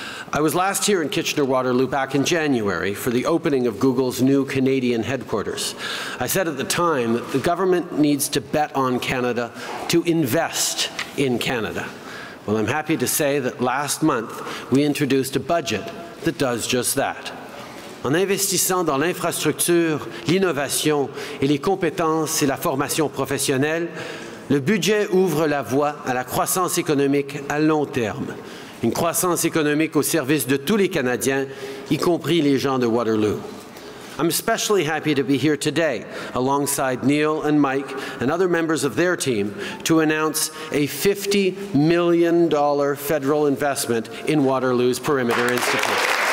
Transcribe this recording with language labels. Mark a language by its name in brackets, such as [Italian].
[English] I was last here in Kitchener-Waterloo back in January for the opening of Google's new Canadian headquarters. I said at the time that the government needs to bet on Canada to invest in Canada. Well, I'm happy to say that last month we introduced a budget that does just that. [French] En investissant dans l'infrastructure, l'innovation et les compétences et la formation professionnelle, le budget ouvre la voie à la croissance économique à long terme. Une croissance économique au service de tous les Canadiens, y compris les gens de Waterloo. [English] I'm especially happy to be here today, alongside Neil and Mike and other members of their team, to announce a $50 million federal investment in Waterloo's Perimeter Institute.